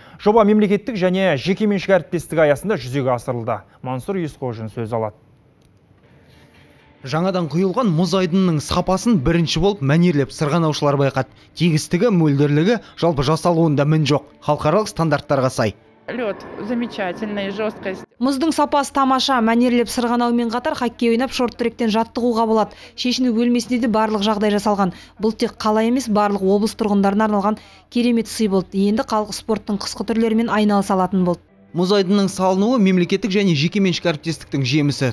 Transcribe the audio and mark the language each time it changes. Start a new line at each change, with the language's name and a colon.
Kazakh: Жоба мемлекеттік және жекеменшік әріптестік аясында жүзеге асырылды. Мансұр Есқожин сөз алады. Жаңадан құйылған мұз айдынының сапасын бірінші болып мәнерлеп сырғанаушылар байқады. Тегістігі, мөлдірлігі жалпы жасалуында мін жоқ. Халықаралық стандарттарға сай.
Russian: Лед замечательный, жесткость.
Kazakh: Мұздың сапасы тамаша, мәнерлеп сырғанаумен қатар хоккей ойнап шорт-тректен жаттығуға болады. Шешіні бөлмесінде де барлық жағдай жасалған. Бұл тек қала емес, барлық облыс тұрғындарына арналған керемет сый болды. Енді халық спорттың қысқы түрлерімен айналыса алатын болды. Мұз айдынының салынуы мемлекеттік және жекеменшік әріптестіктің жемісі.